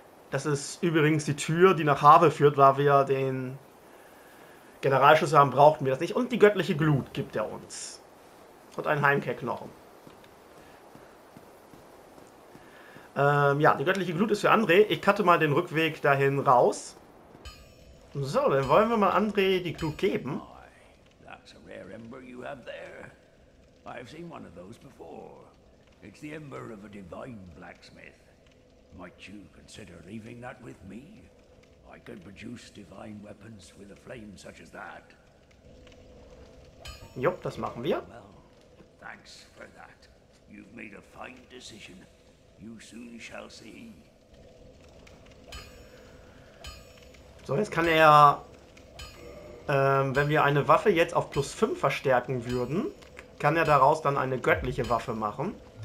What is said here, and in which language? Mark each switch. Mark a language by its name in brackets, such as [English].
[German] Das ist übrigens die Tür, die nach Havel führt, weil wir den Generalschlüssel haben, brauchten wir das nicht. Und die göttliche Glut gibt er uns. Und einen Heimkehrknochen. Ja, die göttliche Glut ist für André. Ich cutte mal den Rückweg dahin raus. So, dann wollen wir mal André die Glut geben. [English] That's a rare ember you have there. I've seen one of those before. It's the ember of a divine blacksmith. Might you consider leaving that with me? I can produce divine weapons with a flame such as that. [German] Jupp, das machen wir. [English] Well, thanks for that. You've made a fine decision. You soon shall see. [German] So, jetzt kann er, wenn wir eine Waffe jetzt auf plus 5 verstärken würden, kann er daraus dann eine göttliche Waffe machen.